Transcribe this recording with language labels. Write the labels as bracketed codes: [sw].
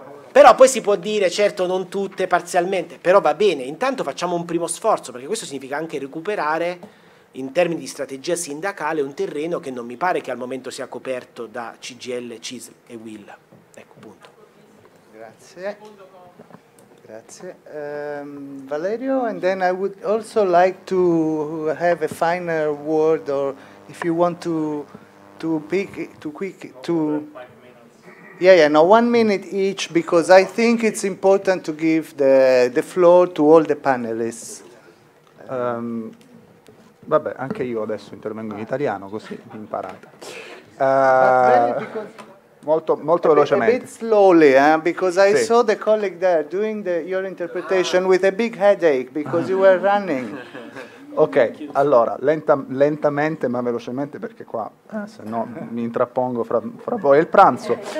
[it] Però poi si può dire, certo, non tutte, parzialmente, però va bene, intanto facciamo un primo sforzo, perché questo significa anche recuperare, in termini di strategia sindacale, un terreno che non mi pare che al momento sia coperto da CGL, CISL e UIL. Ecco, punto. Grazie. Grazie. [en] Valerio, and then I would also like to have a final word, or if you want to pick to quick to no, 1 minute each, because I think it's important to give the floor to all the panelists. [it] Vabbè, anche io adesso intervengo in italiano, così imparate. Molto molto velocemente. [en] A bit slowly, because I saw the colleague there doing your interpretation with a big headache because you were running. [it] Ok, allora, lentamente ma velocemente, perché qua se no mi intrappongo fra voi e il pranzo.